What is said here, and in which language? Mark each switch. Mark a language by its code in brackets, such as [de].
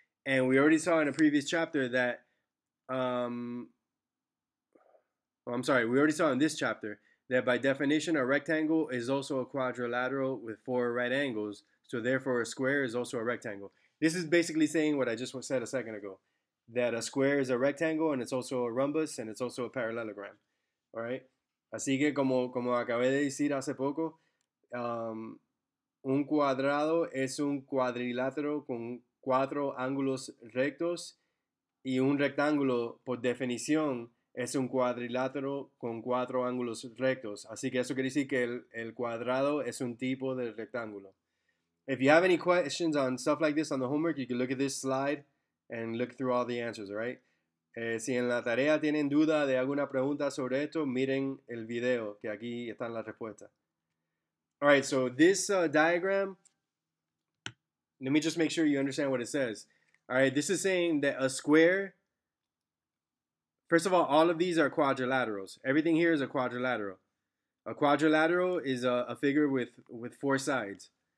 [en] And we already saw in a previous chapter that, we already saw in this chapter that by definition, a rectangle is also a quadrilateral with four right angles. So therefore, a square is also a rectangle. This is basically saying what I just said a second ago, that a square is a rectangle and it's also a rhombus and it's also a parallelogram. All right. [es] Así que como acabé de decir hace poco, un cuadrado es un cuadrilátero con cuatro ángulos rectos y un rectángulo, por definición, es un cuadrilátero con cuatro ángulos rectos. Así que eso quiere decir que el cuadrado es un tipo de rectángulo. [en] If you have any questions on stuff like this on the homework, you can look at this slide and look through all the answers, right? [es] Si en la tarea tienen duda de alguna pregunta sobre esto, miren el video, que aquí están las respuestas. [en] All right, so this diagram, let me just make sure you understand what it says. All right, this is saying that a square, first of all of these are quadrilaterals. Everything here is a quadrilateral. A quadrilateral is a figure with four sides.